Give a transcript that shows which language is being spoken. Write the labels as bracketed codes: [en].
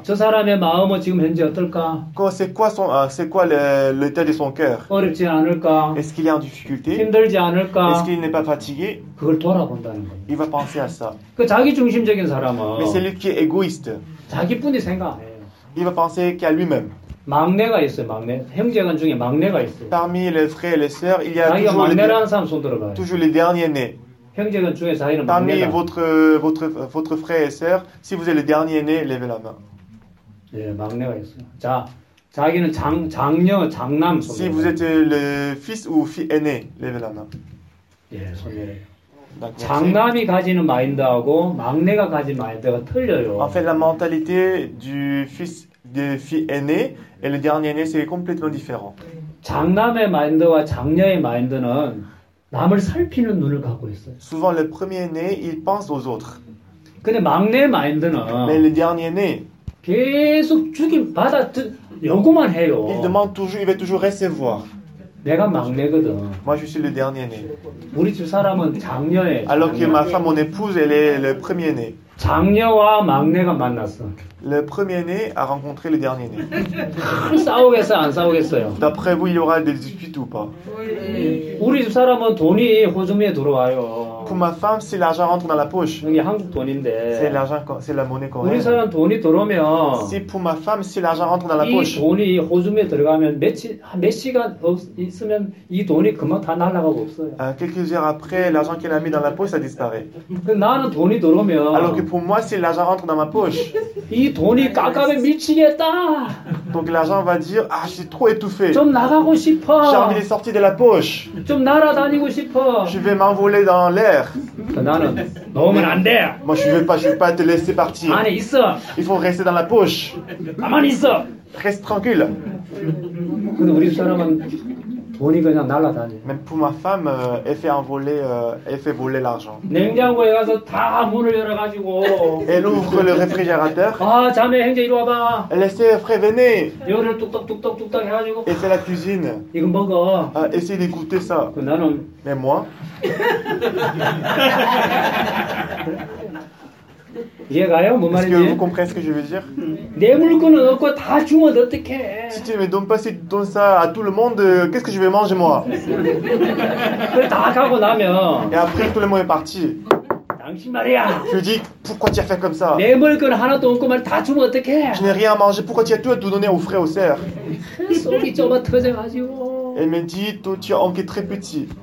[ko] 저 사람의 마음은 지금 현재 어떨까? [fr] C'est quoi l'état de son cœur? [ko] 어렵지 않을까? [fr] Est-ce qu'il est en difficulté? [ko] 힘들지 않을까? [fr] Est-ce qu'il n'est pas fatigué? [ko] 그걸 돌아본다는 거예요. [fr] Il va penser à ça. [ko] 그 자기 중심적인 사람은 [fr] Mais c'est lui qui est égoïste. [ko] 자기뿐이 생각 안 해요. [fr] Il va penser qu'à lui-même. [ko] 막내가 있어요, 막내. 형제간 중에 막내가 있어요. [fr] Parmi les frères et les sœurs, il y a toujours les derniers nés. Parmi votre frère et sœur, si vous êtes le dernier né, levez la main. [ko] 예, 막내가 있어요. 자, 자기는 장녀, 장남. [fr] Si vous êtes le fils ou fille aînée, levez la main. [ko] 예, 손님. 장남이 가지는 마인드하고 막내가 가진 마인드가 틀려요. [fr] En fait, la mentalité du fils de fille aînée et le dernier né, c'est complètement différent. [ko] 장남의 마인드와 장녀의 마인드는 남을 살피는 눈을 갖고 있어요. [fr] Souvent le premier né, il pense aux autres. [ko] 근데 막내 마인드는 [fr] Mais le dernier né [ko] 계속 주긴 받아 요구만 해요. [fr] Il demande toujours, il veut toujours recevoir. [ko] 내가 막내거든. [fr] Moi je suis le dernier né. [ko] 우리 집 사람은 장녀예요. [fr] Alors que ma femme, mon épouse, elle est le premier né. [ko] 장녀와 막내가 만났어. [fr] Le premier-né a rencontré le dernier-né. [ko] 싸우겠어, 안 싸우겠어요? [fr] D'après vous, il y aura des disputes ou pas? [ko] 우리 집 사람은 돈이 호주머니에 들어와요. [fr] Pour ma femme, si l'argent rentre dans la poche. [ko] 이게 한국 돈인데. [fr] C'est l'argent, c'est la monnaie coréenne. [ko] 우리 사람 돈이 들어오면. [fr] Si pour ma femme, si l'argent rentre dans la poche. [ko] 이 돈이 호주머니에 들어가면 몇 시간 있으면 이 돈이 금방 다 날아가고 없어요. [fr] Quelques heures après, l'argent qu'elle a mis dans la poche, ça disparaît. [ko] 나는 돈이 들어오면. [fr] Alors que pour moi, si l'argent rentre dans ma poche. [ko] 이 돈이 깎아면 미치겠다. [fr] Donc l'argent va dire, ah, j'ai trop étouffé. [ko] 좀 나가고 싶어. [fr] J'ai envie de sortir de la poche. [ko] 좀 날아다니고 싶어. [fr] Je vais m'envoler dans l'air. [ko] 나는 너무는 안 돼. [fr] Moi je veux pas te laisser partir. [ko] 안에 있어. [fr] Il faut rester dans la poche. [ko] 가만히 있어. [fr] Reste tranquille. [ko] 근데 우리 사람은 돈이 그냥 날아다니. [fr] Mais pour ma femme, elle fait voler l'argent. [ko] 냉장고에 가서 다 문을 열어가지고. [fr] Elle ouvre le réfrigérateur. [ko] 아, 자매 형제 이리 와봐. [fr] Elle essaie, frère, venez. [ko] 열을 뚝딱뚝딱뚝딱 해가지고. [fr] Et fait la cuisine. [ko] 이건 먹어. [fr] Essaye d'écouter ça. [ko] 나는. [fr] Mais moi. [ko] 이해가요? 뭐 말인지. [fr] Est-ce que vous comprenez ce que je veux dire? [ko] 내 물건은 없고 다 주면 어떡해? [fr] Si tu me donnes pas si tu donnes ça à tout le monde, qu'est-ce que je vais manger moi? [ko] 다 가고 나면. [fr] Et après tout le monde est parti. [ko] 당신 말이야. [fr] Je dis pourquoi tu as fait comme ça? [ko] 내 물건 하나도 없고 말 다 주면 어떡해? [fr] Je n'ai rien à manger. Pourquoi tu as tout à tout donner aux frères aux sœurs? [ko] 속이 좁아 터져가지고. [fr] Elle me dit toi tu as encore très petit.